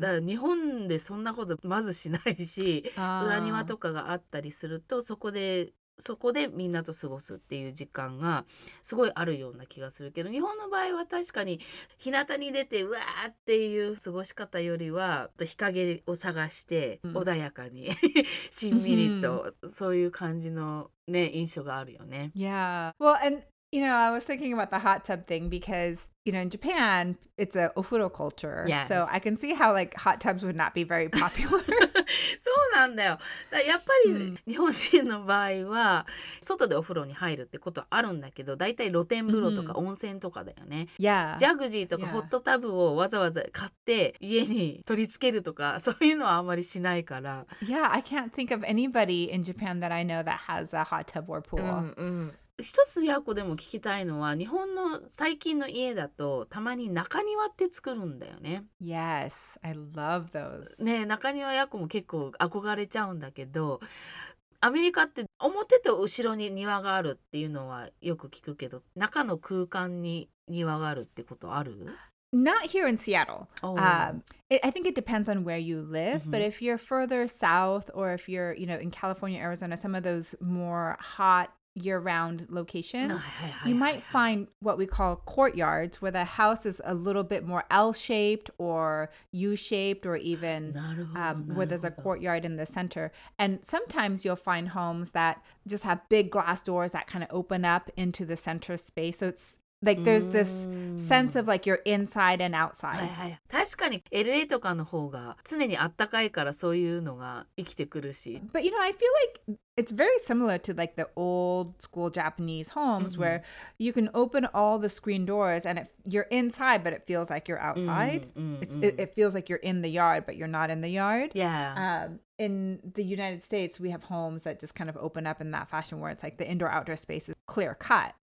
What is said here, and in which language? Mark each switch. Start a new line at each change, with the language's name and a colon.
Japanese: だから日本でそんなことまずしないし、裏庭とかがあったりするとそこでみんなと過ごすっていう時間がすごいあるような気がするけど、日本の場合は確かに日向に出てうわーっていう過ごし方よりは日陰を探して穏やかに、うん、しんみりと、うん、そういう感じのね印象があるよね。
English: Yeah. Well, and you know, I was thinking about the hot tub thing because, you know, in Japan, it's a ofuro culture. Yes. So I can see how like hot tubs would not be very popular.
Japanese: そうなんだよ。だやっぱり日本人の場合は外でお風呂に入るってことはあるんだけど、だいたい露天風呂とか温泉とかだよね。
English: Yeah.
Japanese: ジャグジーとかホットタブをわざわざ買って家に取り付けるとかそういうのはあまりしないから。
English: Yeah, I can't think of anybody in Japan that I know that has a hot tub or pool.
Japanese: うんうん。一つヤコでも聞きたいのは、日本の最近の家だとたまに中庭って作るんだよね。
English: Yes, I love those.
Japanese: ね、中庭ヤコも結構憧れちゃうんだけど、アメリカって表と後ろに庭があるっていうのはよく聞くけど、中の空間に庭があるってことある？
English: Not here in Seattle. I think it depends on where you live. Mm-hmm. But if you're further south, or if you're, you know, in California, Arizona, some of those more hot year-round locations, you might find what we call courtyards, where the house is a little bit more L-shaped or U-shaped, or even where there's a courtyard in the center. And sometimes you'll find homes that just have big glass doors that kind of open up into the center space. So it's like there's this sense of like you're inside and outside.
Japanese: 確かに LA とかの方が常にあったかいからそういうのが生きてくるし。
English: But you know, I feel like it's very similar to like the old school Japanese homes、mm-hmm. where you can open all the screen doors and you're inside, but it feels like you're outside. Mm-hmm. It's, it feels like you're in the yard, but you're not in the yard. Yeah. In the United States, we have homes that just kind of open up in that fashion where it's like the indoor-outdoor space is clear cut.